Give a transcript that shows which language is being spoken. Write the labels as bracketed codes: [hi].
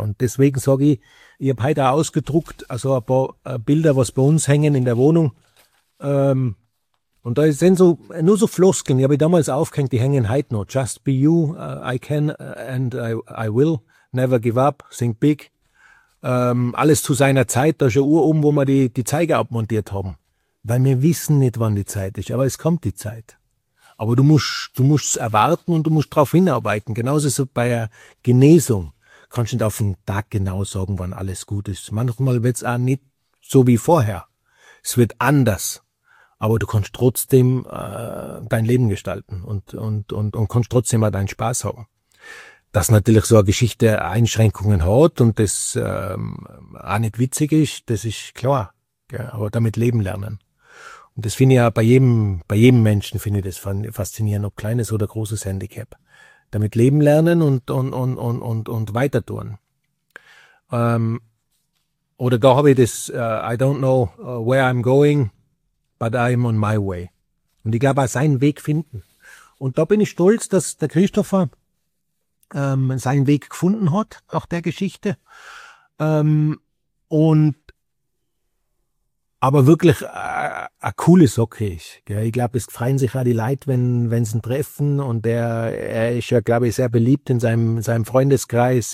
[de] Und deswegen sage ich, ich habe heute auch ausgedruckt, also ein paar Bilder, was bei uns hängen in der Wohnung. Und da sind so nur so Floskeln, die habe ich damals aufgehängt, die hängen heute noch. [en] Just be you, I can and I will, never give up, think big. [de] Alles zu seiner Zeit, da ist eine Uhr oben, wo wir die Zeiger abmontiert haben. Weil wir wissen nicht, wann die Zeit ist, aber es kommt die Zeit. Aber du musst es erwarten und du musst darauf hinarbeiten. Genauso so bei der Genesung kannst du nicht auf den Tag genau sagen, wann alles gut ist. Manchmal wird es auch nicht so wie vorher. Es wird anders. Aber du kannst trotzdem dein Leben gestalten und kannst trotzdem auch deinen Spaß haben. Dass natürlich so eine Geschichte Einschränkungen hat und das auch nicht witzig ist, das ist klar. Gell? Aber damit leben lernen. Und das finde ich ja bei jedem Menschen finde ich das faszinierend, ob kleines oder großes Handicap. Damit leben lernen und weiter tun. Oder da habe ich das [en] I don't know where I'm going. But I'm on my way. [de] Und ich glaube auch seinen Weg finden. Und da bin ich stolz, dass der Christopher seinen Weg gefunden hat, nach der Geschichte. Und aber wirklich eine coole Socke ist. Gell. Ich glaube, es freuen sich auch die Leute, wenn sie ihn treffen. Und er ist ja, glaube ich, sehr beliebt in seinem Freundeskreis.